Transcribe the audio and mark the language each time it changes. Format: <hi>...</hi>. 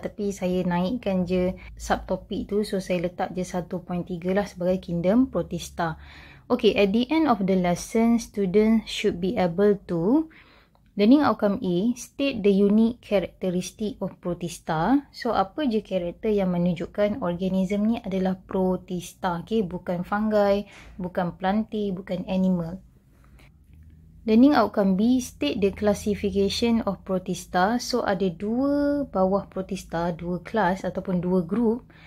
<ms>Tapi saya naikkan je subtopik tu, so saya letak je 1.3 lah sebagai kingdom protista.</ms> <en>Okay, at the end of the lesson, students should be able to learning outcome A, state the unique characteristic of protista.</en> <ms>So, apa je karakter yang menunjukkan organism ni adalah protista, okay? Bukan fungi, bukan plantae, bukan animal.</ms> <en>Learning outcome B, state the classification of protista.</en> <ms>So, ada dua bawah protista, dua kelas ataupun dua group.</ms>